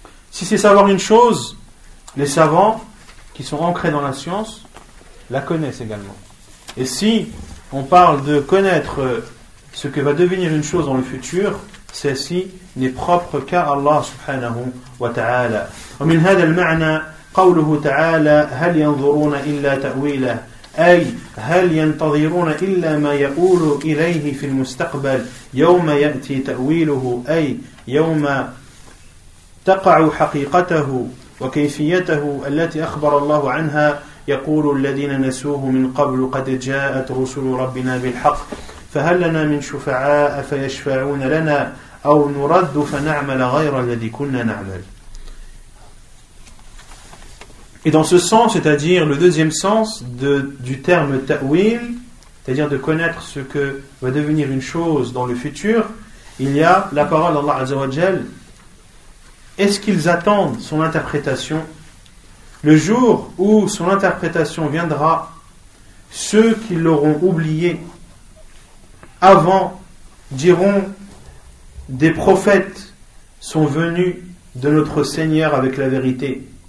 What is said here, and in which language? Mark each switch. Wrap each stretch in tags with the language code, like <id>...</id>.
<fr>Si c'est savoir une chose, les savants qui sont ancrés dans la science la connaissent également. Et si on parle de connaître ce que va devenir une chose dans le futur, celle-ci n'est propre qu'à Allah subhanahu wa ta'ala. Et de ce sens,</fr> <ar>قوله تعالى هل ينظرون إلا تأويله أي هل ينتظرون إلا ما يقول إليه في المستقبل يوم يأتي تأويله أي يوم تقع حقيقته وكيفيته التي أخبر الله عنها يقول الذين نسوه من قبل قد جاءت رسل ربنا بالحق فهل لنا من شفعاء فيشفعون لنا أو نرد فنعمل غير الذي كنا نعمل.</ar> <fr>Et dans ce sens, c'est-à-dire le deuxième sens du terme ta'wil, c'est-à-dire de connaître ce que va devenir une chose dans le futur, il y a la parole d'Allah Azza wa Jal. Est-ce qu'ils attendent son interprétation? Le jour où son interprétation viendra, ceux qui l'auront oublié avant diront « Des prophètes sont venus de notre Seigneur avec la vérité ».</fr>